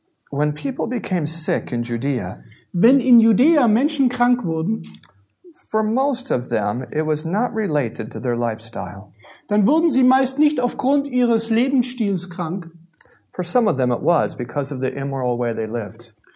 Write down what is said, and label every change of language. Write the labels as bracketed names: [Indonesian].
[English] When people became sick in Judea, [German] wenn in Judäa Menschen krank wurden, [English] for most of them it was not related to their lifestyle. [German] Dann wurden sie meist nicht aufgrund ihres Lebensstils krank. [English] For some of them it was because of the immoral way they lived.